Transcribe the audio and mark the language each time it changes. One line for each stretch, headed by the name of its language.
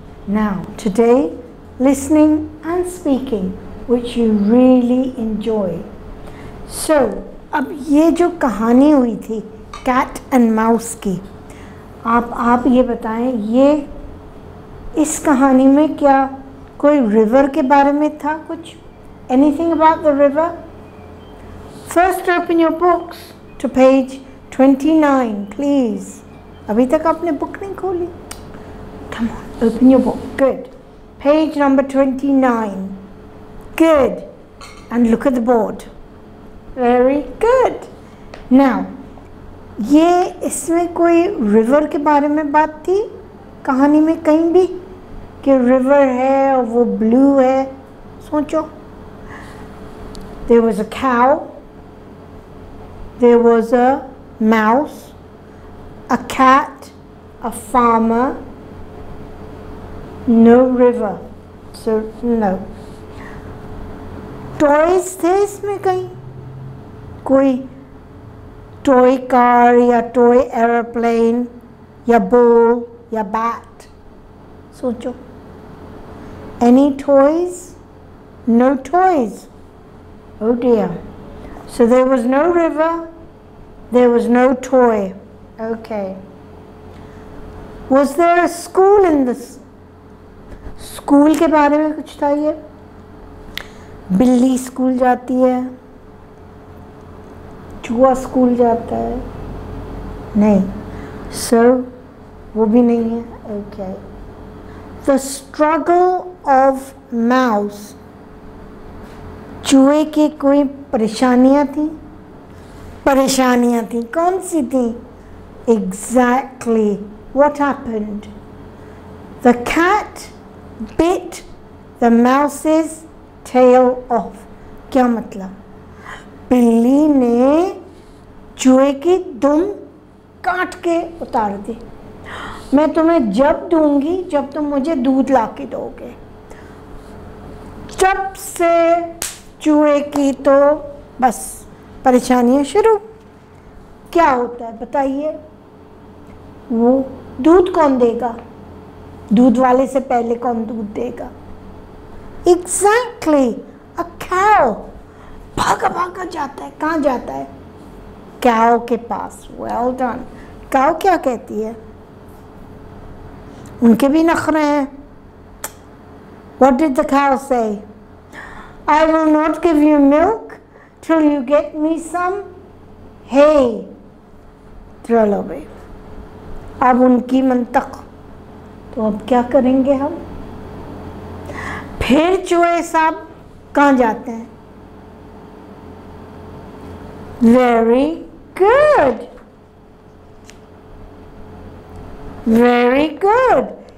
English: Now, today, listening and speaking, which you really enjoy.
Hindi: So, अब ये जो कहानी हुई थी कैट एंड माउस की, आप ये बताएं, ये इस कहानी में क्या कोई रिवर के बारे में था कुछ?
English: Anything about the river? First, open your books to page 29, please.
Hindi: अभी तक आपने बुक नहीं खोली?
English: Come on, open your book. Good. Page number 29. Good. And look at the board. Very good.
Hindi: Now, ये इसमें कोई river के बारे में बात थी कहानी में कहीं भी, कि river है और वो blue है?
English: सोचो. There was a cow. There was a mouse. A cat, a farmer, no river. So, no.
Hindi: Toys थे इसमें कहीं? कोई toy car या toy aeroplane या ball या bat?
English: सोचो. Any toys? No toys. Oh dear. So there was no river, there was no toy. Okay. Was there a school in this?
Hindi: School के बारे में कुछ था ये? बिल्ली स्कूल जाती है, चूहा स्कूल जाता है? नहीं. So, वो भी नहीं है.
English: Okay. The struggle of mouse.
Hindi: चूहे की कोई परेशानियाँ थी? परेशानियाँ थी, कौन सी थी? Exactly.
English: What happened? The cat bit the mouse's tail off.
Hindi: क्या मतलब? बिल्ली ने चूहे की दुम काट के उतार दी. मैं तुम्हें जब दूंगी, जब तुम मुझे दूध ला के दोगे. जब से चूहे की तो बस परेशानियां शुरू. क्या होता है बताइए? वो दूध कौन देगा? दूध वाले से पहले कौन दूध देगा? एग्जैक्टली, अ cow. भागा भागा जाता है. कहाँ जाता है? cow के पास. Well done. cow क्या कहती है? उनके भी नखरे हैं.
English: What did the cow say? I will not give you milk till you get me some hay.
Hindi: चलो भाई, अब उनकी मंतक, तो अब क्या करेंगे हम? फिर चूहे साहब कहाँ जाते हैं?
English: Very good, very good.